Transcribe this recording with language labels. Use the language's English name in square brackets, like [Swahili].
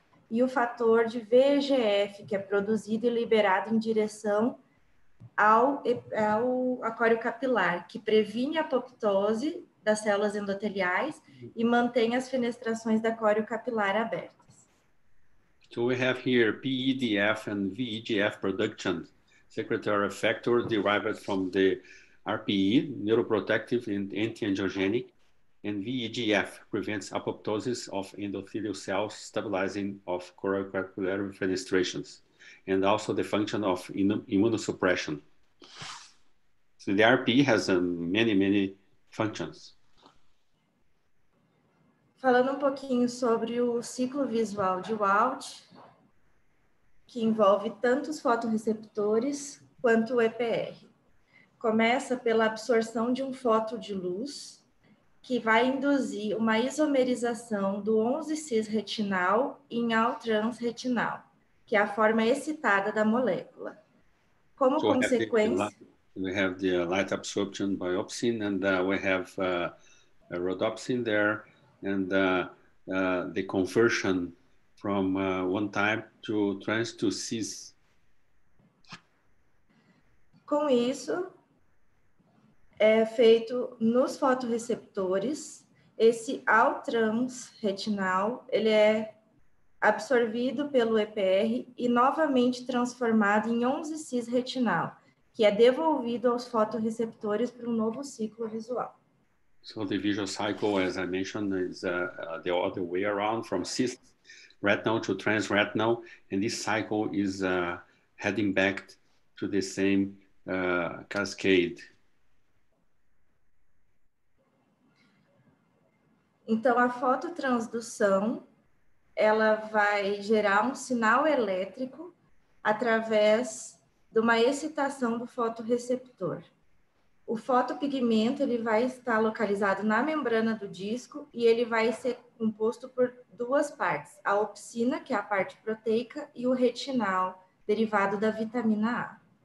[Portuguese] E o fator de VEGF, que é produzido e liberado em direção ao córeo capilar, que previne a apoptose das células endoteliais e mantém as fenestrações da córeo capilar abertas. [English] So we have here PEDF and VEGF production, secretory factor derived from the RPE, neuroprotective and antiangiogenic, and VEGF prevents apoptosis of endothelial cells, stabilizing of choroid capillary fenestrations, and also the function of immunosuppression. So the RPE has many functions. [Portuguese] Falando um pouquinho sobre o ciclo visual de Walt, que envolve tanto os fotorreceptores quanto o EPR. Começa pela absorção de um fóton de luz, que vai induzir uma isomerização do 11-cis retinal em all-trans retinal, que é a forma excitada da molécula. Como so consequência... [English] We have the light absorption by opsin, and we have a rhodopsin there. And the conversion from one type to trans to cis. [Portuguese] Com isso, é feito nos fotorreceptores, esse all-trans retinal, ele é absorvido pelo EPR e novamente transformado em 11-cis retinal, que é devolvido aos fotorreceptores para um novo ciclo visual. [English] So the visual cycle, as I mentioned, is the other way around, from cis retinal to trans retinal, and this cycle is heading back to the same cascade. [Portuguese] Então, a fototransdução, ela vai gerar um sinal elétrico através de uma excitação do fotorreceptor. O fotopigmento, ele vai estar localizado na membrana do disco e ele vai ser composto por duas partes, a opsina, que é a parte proteica, e o retinal, derivado da vitamina A.